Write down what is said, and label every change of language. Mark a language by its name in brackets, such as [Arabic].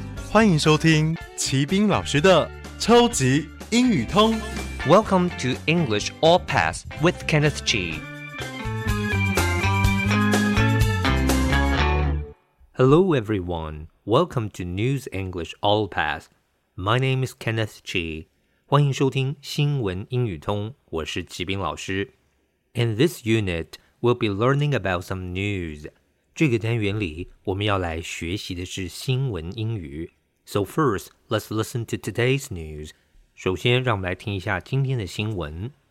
[Chinese] 欢迎收听齐宾老师的超级英语通。 [English] Welcome to English All Pass with Kenneth G. Hello everyone, welcome to News English All Pass. My name is Kenneth G. [Chinese] 欢迎收听新闻英语通，我是齐宾老师。 [English] In this unit, we'll be learning about some news. [Chinese] 这个单元里我们要来学习的是新闻英语。 [English] So first, let's listen to today's news. [Chinese] 首先让我们来听一下今天的新闻。